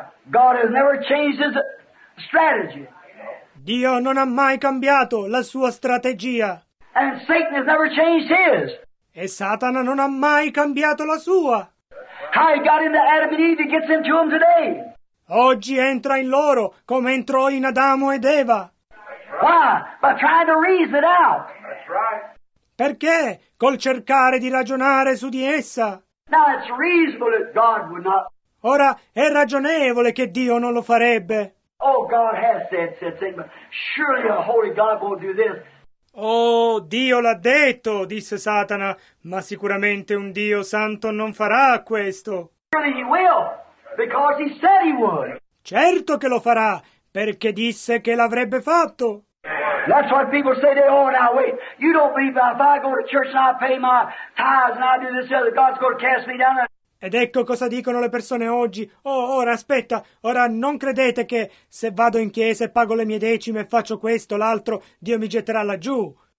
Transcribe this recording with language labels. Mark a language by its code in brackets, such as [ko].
[en] God has never changed his strategy. [it] Dio non ha mai cambiato la sua strategia. [en] And Satan has never changed his. [it] E Satana non ha mai cambiato la sua. [en] How he got into Adam and Eve, he gets into them today. [it] Oggi entra in loro come entrò in Adamo ed Eva. [en] Why? By trying to reason it out. That's right. [it] Perché? Col cercare di ragionare su di essa. [en] Now it's reasonable that God would not. [it] Ora è ragionevole che Dio non lo farebbe. [en] Oh, God has said, said Satan, but surely a holy God won't do this. [it] Oh, Dio l'ha detto, disse Satana, ma sicuramente un Dio santo non farà questo. [en] Surely he will, because he said he would. [it] Certo che lo farà, perché disse che l'avrebbe fatto. [en] That's what people say they are now. Wait, you don't believe that if I go to church and I pay my tithes and I do this and other, God's going to cast me down. [it] Ed ecco cosa dicono le persone oggi. Oh, ora, aspetta, ora non credete che se vado in chiesa e pago le mie decime e faccio questo, l'altro, Dio mi getterà laggiù.